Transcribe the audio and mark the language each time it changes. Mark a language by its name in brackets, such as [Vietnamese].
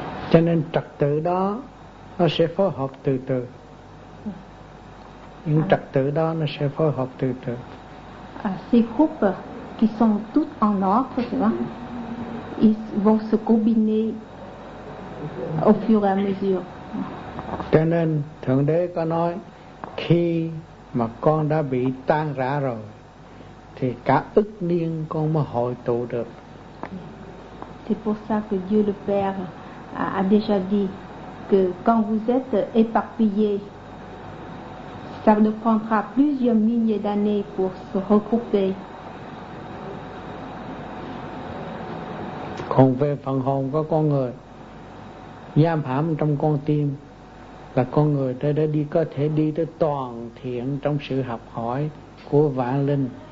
[Vietnamese] Cho nên trật tự đó nó sẽ phối hợp từ từ. Những trật tự đó nó sẽ phối hợp từ từ. [French] Ces groupes qui sont toutes en ordre, tu vois, ils vont se combiner au fur et à mesure. [Vietnamese] Cho nên Thượng Đế có nói, khi mà con đã bị tan rã rồi thì cả ức niên con mới hội tụ được. [French] C'est pour ça que Dieu le Père a déjà dit que quand vous êtes éparpillés, ça ne prendra plusieurs milliers d'années pour se regrouper. [Vietnamese] Còn về phần hồn có con người, giam hãm trong con tim là con người đã đi, có thể đi tới toàn thiện trong sự học hỏi của vạn linh.